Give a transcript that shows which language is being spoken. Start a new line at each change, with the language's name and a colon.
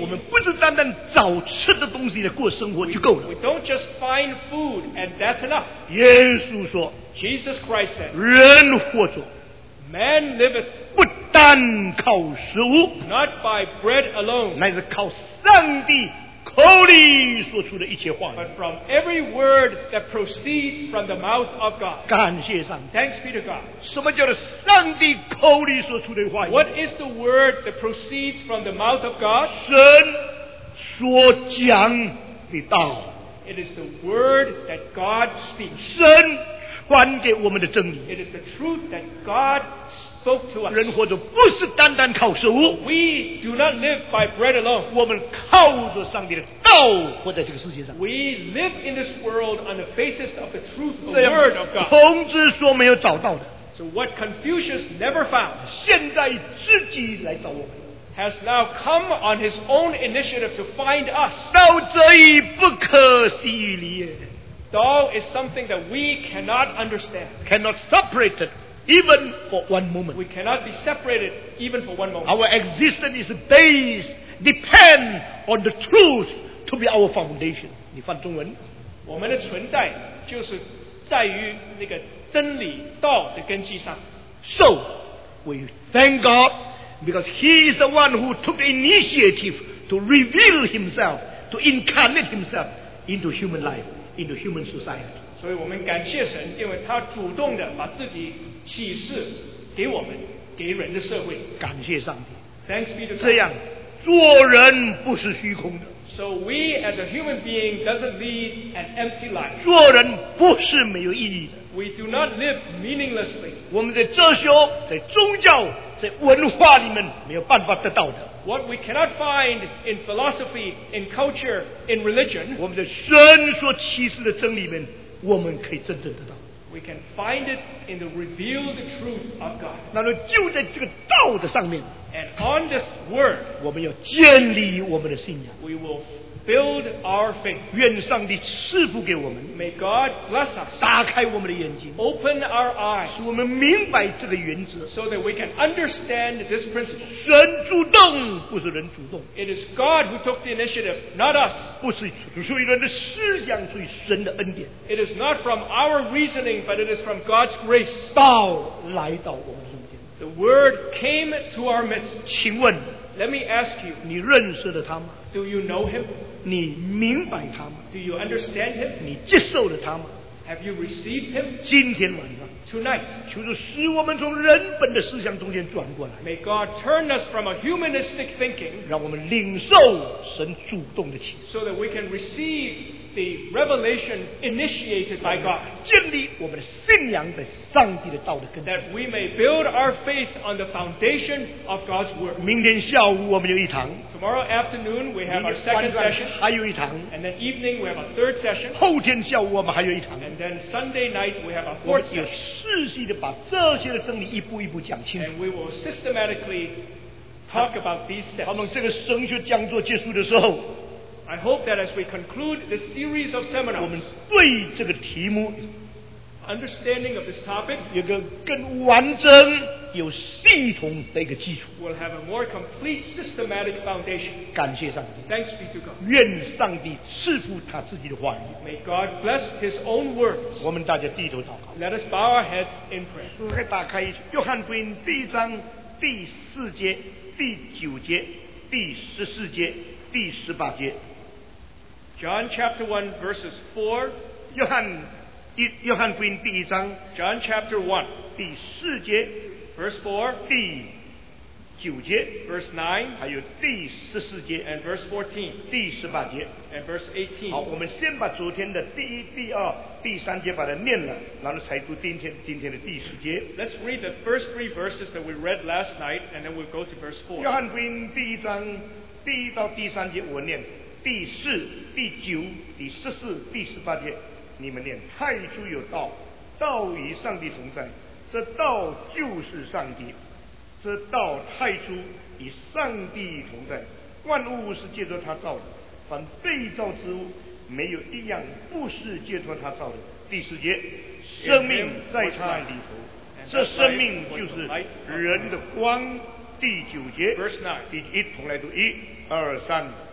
Chinese: 我们不是单单找吃的东西来过生活就够了。
English: We don't just find food and that's enough.
Chinese: 耶稣说。
English: Jesus Christ said.
Chinese: 人活着。
English: Man liveth.
Chinese: 不单靠食物。
English: Not by bread alone.
Chinese: 乃是靠上帝。口里说出的一切话语
English: but from every word that proceeds from the mouth of God
Chinese: 感谢上帝
English: thanks be to God
Chinese: 什么叫做上帝口里说出的话语
English: what is the word that proceeds from the mouth of God
Chinese: 神所讲的道
English: it is the word that God speaks
Chinese: 神还给我们的真理
English: it is the truth that God speaks
Chinese: 人活着不是单单靠食物。
English: We do not live by bread alone.
Chinese: 我们靠着上帝的道活在这个世界上。
English: We live in this world on the basis of the truth, the word of God.
Chinese: 孔子说没有找到的。
English: So what Confucius never found.
Chinese: 现在自己来找我们。
English: Has now come on his own initiative to find us.
Chinese: 道这一不可思议理也。
English: 道 is something that we cannot understand. Cannot separate it. Even for one moment. We cannot be separated even for one moment. Our existence is based, depend on the truth to be our foundation.
Chinese: 你翻中文。我们的存在就是在于那个真理道的根基上。
English: So, we thank God because He is the one who took the initiative to reveal Himself, to incarnate Himself into human life, into human society.
Chinese: 所以我们感谢神，因为他主动的把自己启示给我们，给人的社会。感谢上帝。
English: Thanks be to God.
Chinese: 这样，做人不是虚空的。
English: So we as a human being doesn't lead an empty life.
Chinese: 做人不是没有意义的。
English: We do not live meaninglessly.
Chinese: 我们在哲学、在宗教、在文化里面没有办法得到的。
English: What we cannot find in philosophy, in culture, in religion.
Chinese: 我们在神所启示的真理里面，我们可以真正得到。
English: We can find it in the revealed truth of God.
Chinese: 那么就在这个道的上面。
English: And on this word,
Chinese: 我们要建立我们的信仰。
English: We will build our faith.
Chinese: 愿上帝赐福给我们。
English: May God bless us.
Chinese: 打开我们的眼睛。
English: Open our eyes.
Chinese: 使我们明白这个原则。
English: So that we can understand this principle.
Chinese: 神主动，不是人主动。
English: It is God who took the initiative, not us.
Chinese: 不是出于人的思想，出于神的恩典。
English: It is not from our reasoning, but it is from God's grace.
Chinese: 道来到我们中间。
English: The word came to our midst.
Chinese: 请问。
English: Let me ask you.
Chinese: 你认识了他吗？
English: Do you know him?
Chinese: 你明白他吗?
English: Do you understand him?
Chinese: 你接受了他吗?
English: Have you received him?
Chinese: 今天晚上。
English: Tonight.
Chinese: 求主使我们从人本的思想中间转过来。
English: May God turn us from a humanistic thinking.
Chinese: 让我们领受神主动的启示。
English: So that we can receive the revelation initiated by God.
Chinese: 建立我们的信仰在上帝的道的根。
English: That we may build our faith on the foundation of God's word.
Chinese: 明天下午我们有一堂。
English: Tomorrow afternoon we have our second session.
Chinese: 还有一堂。
English: And then evening we have a third session.
Chinese: 后天下午我们还有一堂。
English: And then Sunday night we have a fourth session.
Chinese: 仔细的把这些的真理一步一步讲清楚。
English: And we will systematically talk about these steps.
Chinese: 他们这个神学讲座结束的时候，
English: I hope that as we conclude this series of seminars,
Chinese: 我们对这个题目，
English: understanding of this topic,
Chinese: 有个更完整有系统的一个基础
English: will have a more complete systematic foundation.
Chinese: 感谢上帝
English: Thanks be to God.
Chinese: 愿上帝赐福他自己的话语
English: May God bless His own words.
Chinese: 我们大家低头祷告
English: Let us bow our heads in prayer.
Chinese: 来打开约翰福音第一章第四节第九节第十四节第十八节
English: John chapter 1 verses 4
Chinese: 约翰福音第一章
English: John chapter 1
Chinese: 第四节
English: verse 4
Chinese: 第九节
English: verse 9
Chinese: 还有第十四节
English: and verse 14
Chinese: 第十八节
English: and verse 18
Chinese: 好我们先把昨天的第一第二第三节把它念了然后才读今天的第十节
English: Let's read the first three verses that we read last night and then we'll go to verse 4
Chinese: 约翰福音第一章第一到第三节我念第四第九第十四第十八节你们念太初有道道与上帝同在这道就是上帝这道太初与上帝同在万物是借着他造的凡被造之物没有一样不是借着他造的第四节生命在他里头这生命就是人的光第九节一同来读一二三